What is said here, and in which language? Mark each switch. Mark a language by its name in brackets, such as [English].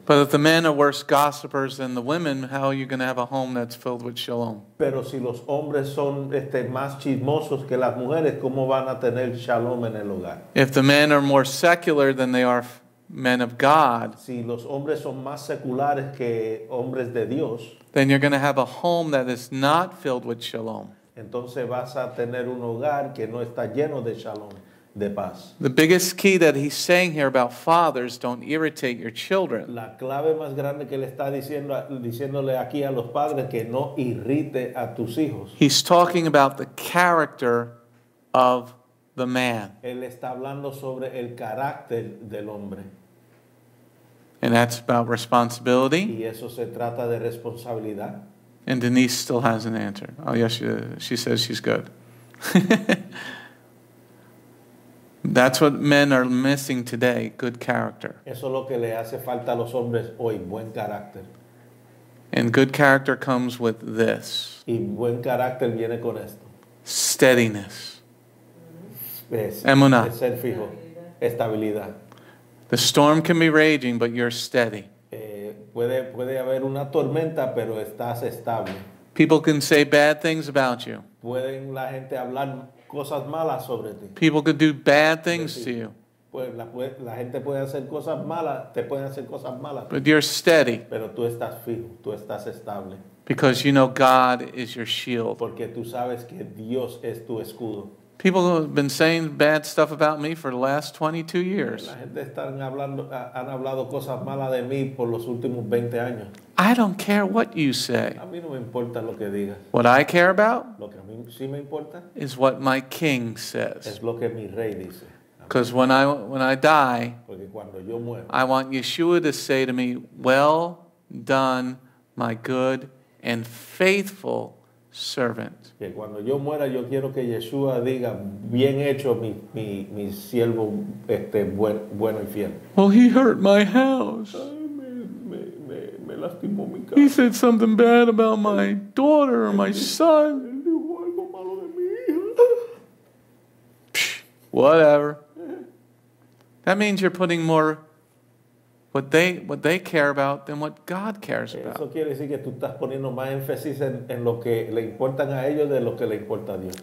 [English] But if the men are worse gossipers than the women, how are you going to have a home that's filled with shalom? [Spanish] Pero si los hombres son más chismosos que las mujeres, ¿cómo van a tener shalom en el hogar? [English] If the men are more secular than they are men of God, [Spanish] si los hombres son más seculares que hombres de Dios, [English] then you're going to have a home that is not filled with shalom. [Spanish] Entonces vas a tener un hogar que no está lleno de shalom. [English] The biggest key that he's saying here about fathers, don't irritate your children. [Spanish] La clave más grande que le está diciéndole aquí a los padres que no irrite a tus hijos. [English] He's talking about the character of the man. [Spanish] Él está hablando sobre el carácter del hombre. [English] And that's about responsibility. [Spanish] Y eso se trata de responsabilidad. [English] And Denise still hasn't answered. Oh yes, she says she's good. That's what men are missing today, good character. [Spanish] Eso es lo que le hace falta a los hombres hoy, buen carácter. [English] And good character comes with this. [Spanish] Y buen carácter viene con esto. [English] Steadiness. [Spanish] Emunah. Es ser fijo. Estabilidad. [English] The storm can be raging, but you're steady. [Spanish] Puede haber una tormenta, pero estás estable. [English] People can say bad things about you. [Spanish] Pueden la gente hablar cosas malas sobre ti. [English] People can do bad things to you. [Spanish] Pues la gente puede hacer cosas malas, te pueden hacer cosas malas. [English] But you're steady. [Spanish] Pero tú estás fijo, tú estás estable. [English] Because you know God is your shield. [Spanish] Porque tú sabes que Dios es tu escudo. [English] People have been saying bad stuff about me for the last 22 years. [Spanish] La gente están hablando, han hablado cosas malas de mí por los últimos 20 años. [English] I don't care what you say. [Spanish] A mí no me importa lo que digas. [English] What I care about [Spanish] lo que a mí sí me importa [English] is what my king says. [Spanish] Es lo que mi rey dice. [English] Because when I die, [Spanish] porque cuando yo muero, [English] I want Yeshua to say to me, "Well done, my good and faithful servant." [Spanish] Que cuando yo muera, yo quiero que Yeshua diga, "Bien hecho, mi siervo, bueno y fiel." [English] Well, he hurt my house. [Spanish] Me lastimó mi casa. [English] He said something bad about my daughter or my son. [Spanish] Él dijo algo malo de mi hija. [English] Whatever. That means you're putting more what they care about than what God cares about. [Spanish] Eso quiere decir que tú estás poniendo más énfasis en lo que le importan a ellos de lo que le importa a Dios.